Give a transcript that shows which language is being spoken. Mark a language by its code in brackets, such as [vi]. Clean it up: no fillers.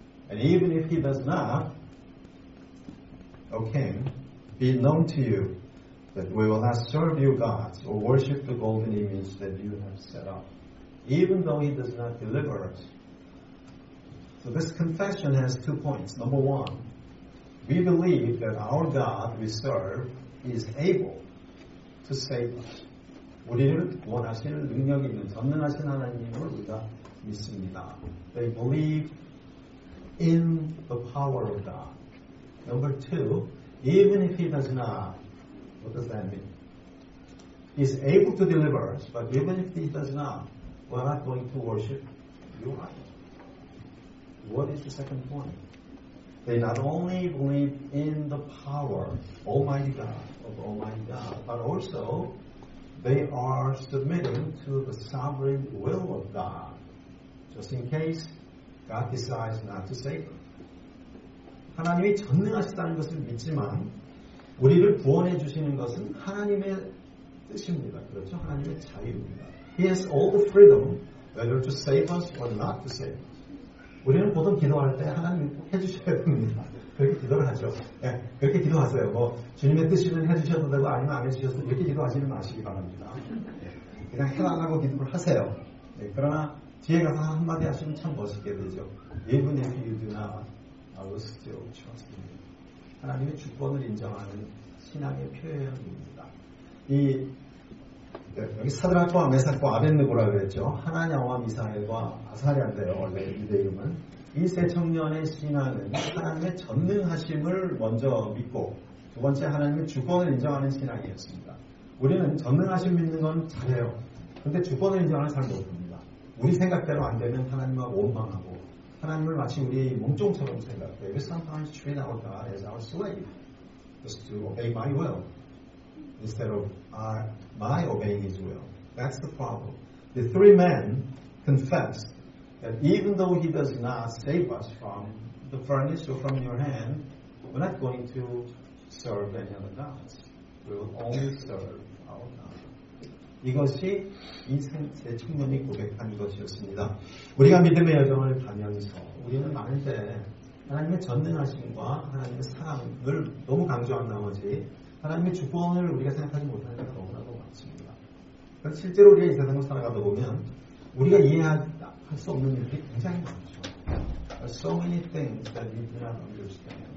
[en] And even if he does not, O king, be it known to you that we will not serve your gods or worship the golden image that you have set up, even though he does not deliver us. So this confession has two points. Number one, we believe that our God we serve is able to save us. [ko] 우리를 구원하실 능력이 있는 전능하신 하나님을 우리가 믿습니다. [en] They believe in the power of God. Number two, even if he does not, what does that mean? He's able to deliver us, but even if he does not, we're not going to worship your idol. What is the second point? They not only believe in the power, Almighty God, of Almighty God, but also they are submitting to the sovereign will of God, just in case God decides not to save them. [ko] 하나님이 전능하시다는 것을 믿지만 우리를 구원해 주시는 것은 하나님의 뜻입니다. 그렇죠? 하나님의 자유입니다. [en] He has all the freedom whether to save us or not to save us. [ko] 우리는 보통 기도할 때 하나님 해주셔야 됩니다. 그렇게 기도를 하죠. 네, 그렇게 기도하세요. 뭐 주님의 뜻이면 해주셔도 되고 아니면 안 해주셔도 이렇게 기도하지는 마시기 바랍니다. 네, 그냥 해달라고 기도를 하세요. 네, 그러나 뒤에 가서 한마디 하시면 참 멋있게 되죠. [en] Even if you do not, I will still trust you. [ko] 하나님의 주권을 인정하는 신앙의 표현입니다. 이 여기 사드락과 메삭과 아벳느고라 그랬죠. 하나냐와 미사엘과 아사랴인데요. 원래 유대 이름은. 이 세 청년의 신앙은 하나님의 전능하심을 먼저 믿고 두 번째 하나님의 주권을 인정하는 신앙이었습니다. 우리는 전능하심 믿는 건 잘해요. 그런데 주권을 인정하는 사람도 없습니다. 우리 생각대로 안 되면 하나님과 원망하고 하나님을 마치 우리 몸종처럼 생각해. [en] We sometimes treat our God as our slave. Just to obey my will. Instead of my obeying his will. That's the problem. The three men confessed that even though he does not save us from the furnace or from your hand, we're not going to serve any other gods. We will only serve our God. [ko] 이것이 이 세 청년이 고백한 것이었습니다. 우리가 믿음의 여정을 가면서 우리는 많을 때 하나님의 전능하심과 하나님의 사랑을 너무 강조한 나머지 하나님의 주권을 우리가 생각하지 못하는 게 너무나도 많습니다. 실제로 우리가 이 세상을 살아가다 보면 우리가 이해할 수 없는 일이 굉장히 많죠. [en] There's so many things that we do not understand.